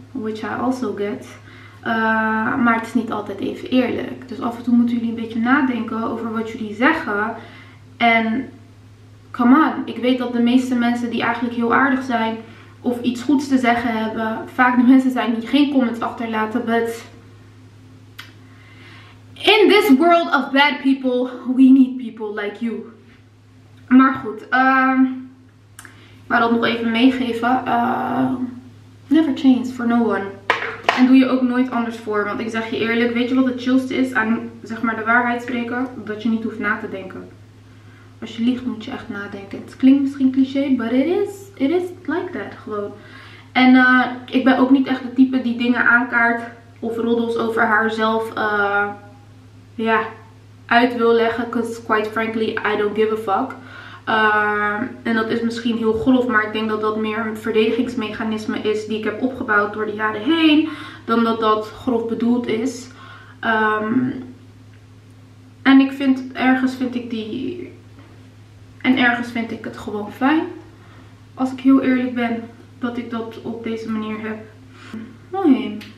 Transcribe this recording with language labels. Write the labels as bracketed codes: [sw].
[en] Which I also get. [nl] Maar het is niet altijd even eerlijk. Dus af en toe moeten jullie een beetje nadenken over wat jullie zeggen. En... [en] Come on. [nl] Ik weet dat de meeste mensen die eigenlijk heel aardig zijn of iets goeds te zeggen hebben, vaak de mensen zijn die geen comments achterlaten. [en] But in this world of bad people, we need people like you. [nl] Maar goed, ik wou dat nog even meegeven. [en] Never change for no one. [nl] En doe je ook nooit anders voor. Want ik zeg je eerlijk, weet je wat het chillste is aan zeg maar de waarheid spreken? Dat je niet hoeft na te denken. Als je liegt moet je echt nadenken. Het klinkt misschien cliché, [en] but it is like that [nl] gewoon. En ik ben ook niet echt de type die dingen aankaart of roddels over haarzelf uit wil leggen. [en] Because quite frankly, I don't give a fuck. [nl] En dat is misschien heel grof, maar ik denk dat dat meer een verdedigingsmechanisme is die ik heb opgebouwd door de jaren heen. Dan dat dat grof bedoeld is. En ik vind, ergens vind ik die... En ergens vind ik het gewoon fijn. Als ik heel eerlijk ben, dat ik dat op deze manier heb. Nee.